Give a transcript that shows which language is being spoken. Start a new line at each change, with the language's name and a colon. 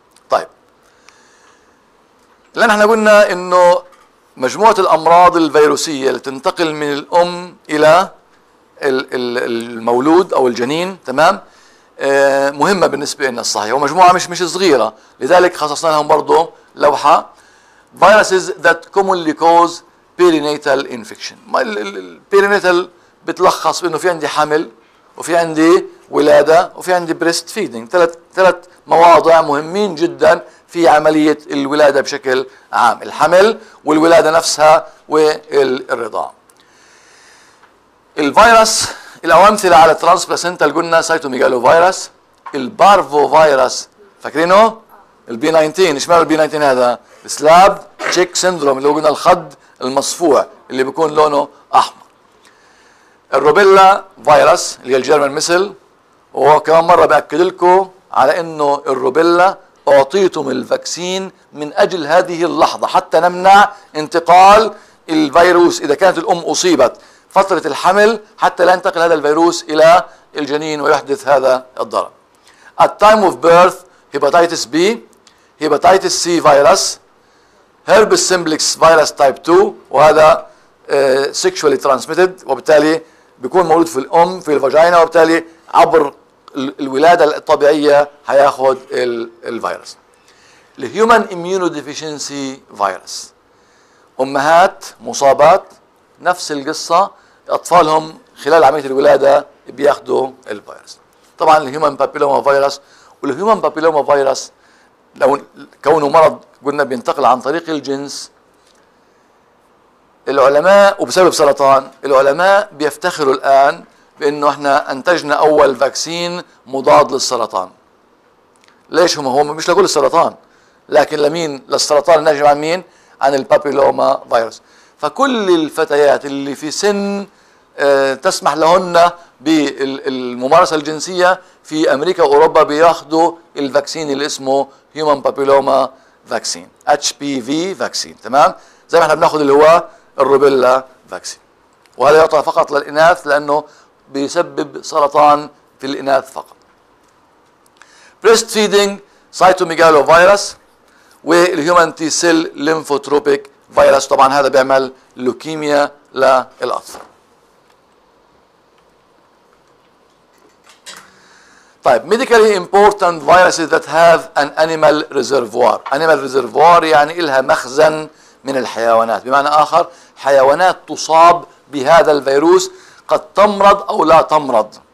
Arabic: طيب لان احنا قلنا انه مجموعة الامراض الفيروسية اللي تنتقل من الام الى المولود او الجنين، تمام، مهمة بالنسبة لنا الصحيح، ومجموعة مش صغيرة، لذلك خصصنا لهم برضو لوحة.
English: viruses that commonly cause perinatal infection.
Arabic: perinatal بتلخص بانه في عندي حمل، وفي عندي ولادة، وفي عندي breast feeding، ثلاث مواضع مهمين جدا في عملية الولادة بشكل عام، الحمل والولادة نفسها والرضاعة. الفيروس الأمثلة على الترانسبلاسنتال قلنا سايتوميجالو فيروس، البارفو فيروس فاكرينه؟ البي 19، إيش معنى البي 19 هذا؟ سلاب تشيك سيندروم اللي هو قلنا الخد المصفوع اللي بيكون لونه أحمر. الروبيلا فيروس اللي هي الجيرمن مثل، وكمان مرة بأكد لكم على إنه الروبيلا أعطيتم الفاكسين من أجل هذه اللحظة حتى نمنع انتقال الفيروس إذا كانت الأم أصيبت فترة الحمل حتى لا ينتقل هذا الفيروس إلى الجنين ويحدث هذا الضرر.
English: At time of birth hepatitis B, hepatitis C virus, herpes simplex virus type 2 وهذا sexually transmitted
Arabic: وبالتالي بيكون مولود في الأم في الفاجينا وبالتالي عبر الولادة الطبيعية هياخد الفيروس. الهيومن اميونو ديفيشنسي فيروس، أمهات مصابات نفس القصة، أطفالهم خلال عملية الولادة بياخدوا الفيروس. طبعا الهيومن بابيلوما فيروس، والهيومن بابيلوما فيروس لو كونه مرض قلنا بينتقل عن طريق الجنس، العلماء وبسبب سرطان العلماء بيفتخروا الآن بأنه احنا أنتجنا أول فاكسين مضاد للسرطان. ليش هم مش لكل السرطان لكن لمين؟ للسرطان الناجم عن مين؟ عن البابيلوما فيروس. فكل الفتيات اللي في سن تسمح لهن بالممارسة الجنسية في أمريكا وأوروبا بياخدوا الفاكسين اللي اسمه Human Papilloma Vaccine HPV Vaccine، تمام؟ زي ما احنا بناخد اللي هو الروبيلا فاكسين، وهذا يعطى فقط للإناث لأنه بيسبب سرطان في الإناث فقط.
English: Breastfeeding Cytomegalo Virus والHuman T-Cell Lymphotropic Virus،
Arabic: طبعا هذا بيعمل لوكيميا للأطفال.
English: طيب medically important viruses that have an animal reservoir.
Arabic: animal reservoir يعني إلها مخزن من الحيوانات، بمعنى آخر حيوانات تصاب بهذا الفيروس قد تمرض أو لا تمرض.